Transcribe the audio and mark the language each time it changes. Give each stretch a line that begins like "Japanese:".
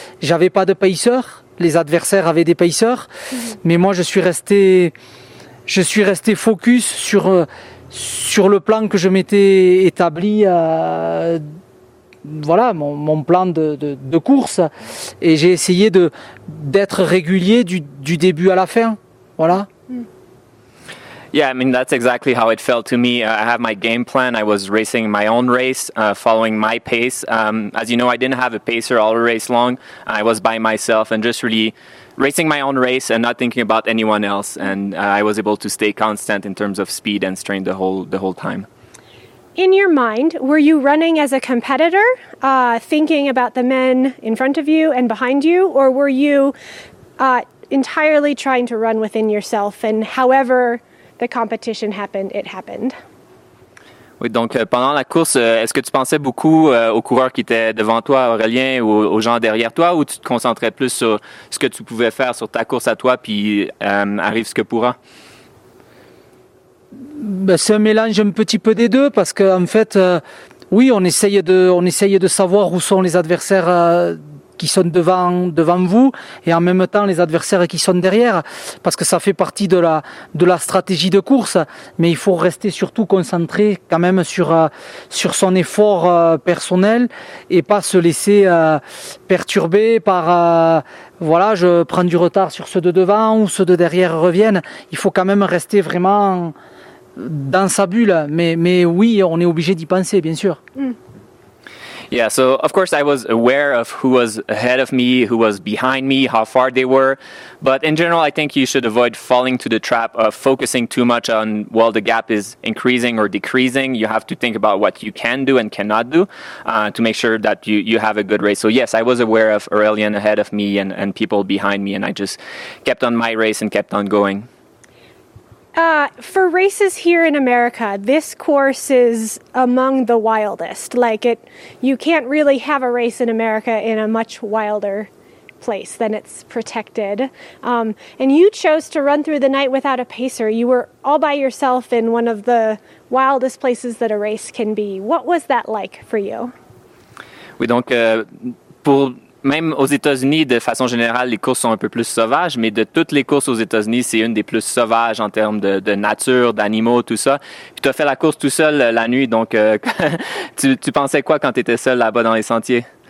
French: J'avais pas de pacer, les adversaires avaient des pacers, mais moi, je suis resté focus sur le plan que je m'étais établi, voilà mon plan de course, et j'ai essayé d'être régulier du début à la fin, voilà.
English: Yeah, I mean, that's exactly how it felt to me. I have my game plan. I was racing my own race, following my pace. As you know, I didn't have a pacer all race long. I was by myself and just really racing my own race and not thinking about anyone else. And I was able to stay constant in terms of speed and strength the whole time. In your mind, were you running as a competitor, thinking about the men in front of you and behind you? Or were you entirely trying to run within yourself and however the competition happened, it happened.
French: Oui, donc pendant la course, est-ce que tu pensais beaucoup aux coureurs qui étaient devant toi, Aurélien, ou aux gens derrière toi, ou tu te concentrais plus sur ce que tu pouvais faire sur ta course à toi, puis arrive ce que pourra? Ben, c'est un mélange un petit peu des deux, parce qu'en fait, oui, on essaye de savoir où sont les adversaires qui sont devant vous et en même temps les adversaires qui sont derrière, parce que ça fait partie de la stratégie de course, mais il faut rester surtout concentré quand même sur son effort personnel et pas se laisser perturber par voilà, je prends du retard sur ceux de devant ou ceux de derrière reviennent. Il faut quand même rester vraiment dans sa bulle, mais oui, on est obligé d'y penser, bien sûr.
English: Yeah, so of course I was aware of who was ahead of me, who was behind me, how far they were. But in general, I think you should avoid falling to the trap of focusing too much on, well, the gap is increasing or decreasing. You have to think about what you can do and cannot do to make sure that you have a good race. So yes, I was aware of Aurelien ahead of me and people behind me, and I just kept on my race and kept on going. For races here in America, this course is among the wildest. Like, you can't really have a race in America in a much wilder place than it's protected. And you chose to run through the night without a pacer. You were all by yourself in one of the wildest places that a race can be. What was that like for you?
French: Oui, donc, pour... Même aux États-Unis, de façon générale, les courses sont un peu plus sauvages, mais de toutes les courses aux États-Unis, c'est une des plus sauvages en termes de nature, d'animaux, tout ça. Puis tu as fait la course tout seul la nuit, donc tu pensais quoi quand tu étais seul là-bas dans les sentiers?